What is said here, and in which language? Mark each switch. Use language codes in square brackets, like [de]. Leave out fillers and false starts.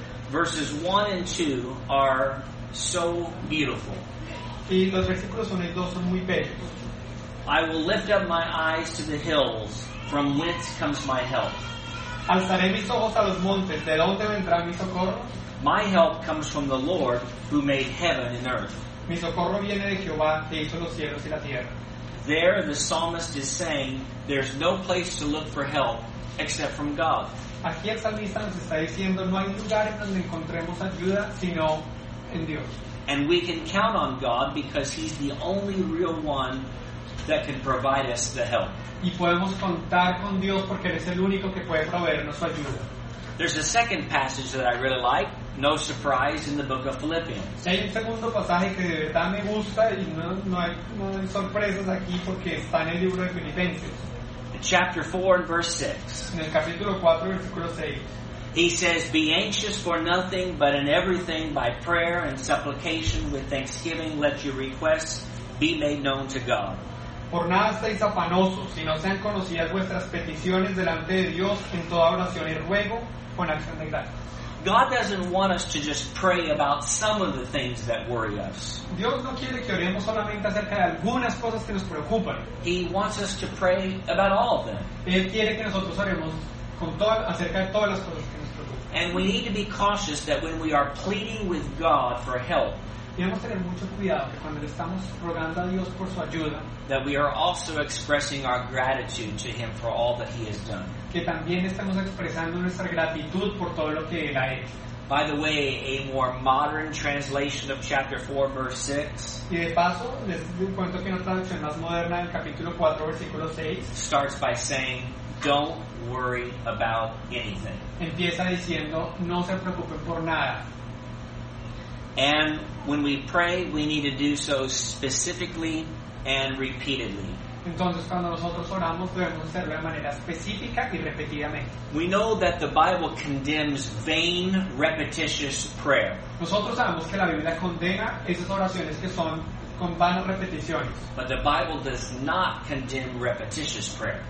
[en] Verses 1 and 2 are so beautiful. [es] Y los versículos 1 y 2 son muy bellos. [en] I will lift up my eyes to the hills, from whence comes my help. [es] Alzaré mis ojos a los montes, ¿de dónde vendrá mi socorro? [en] My help comes from the Lord, who made heaven and earth. [es] Mi socorro viene de Jehová, que hizo los cielos y la tierra. [en] There the psalmist is saying, there's no place to look for help except from God. [es] Aquí el salmista nos está diciendo, no hay lugar en donde encontremos ayuda, sino en Dios. [en] And we can count on God because he's the only real one that can provide us the help. [es] Y podemos contar con Dios porque Él es el único que puede proveernos su ayuda. [en] There's a second passage that I really like, no surprise, in the book of Philippians. [es] Hay un segundo pasaje que de verdad me gusta y no hay sorpresas aquí porque está en el libro de Filipenses. [en] Chapter 4 and verse 6. [es] En el capítulo 4, versículo 6. [en] He says, be anxious for nothing, but in everything by prayer and supplication with thanksgiving let your requests be made known to God. [es] Por nada estéis afanosos, sino sean conocidas vuestras peticiones delante de Dios en toda oración y ruego con acción de gracias. [en] God doesn't want us to just pray about some of the things that worry us. [es] Dios no quiere que oremos solamente acerca de algunas cosas que nos preocupan. [en] He wants us to pray about all of them. [es] Él quiere que nosotros oremos acerca de todas las cosas que nos preocupan. [en] And we need to be cautious that when we are pleading with God for help, [es] debemos tener mucho cuidado que cuando le estamos rogando a Dios por su ayuda, [en] that we are also expressing our gratitude to Him for all that He has done. [es] Que también estamos expresando nuestra gratitud por todo lo que Él ha hecho. [en] By the way, a more modern translation of chapter 4, verse 6. [es] Y de paso, les cuento que una traducción más moderna del capítulo 4, versículo 6. [en] Starts by saying, don't worry about anything. [es] Empieza diciendo, no se preocupen por nada. [en] And when we pray, we need to do so specifically and repeatedly. [es] Entonces, cuando nosotros oramos, debemos hacerlo de manera específica y repetidamente. [en] We know that the Bible condemns vain, repetitious prayer. [es] Nosotros sabemos que la Biblia condena esas oraciones que son con vanas repeticiones. [en] But the Bible does not condemn repetitious prayer.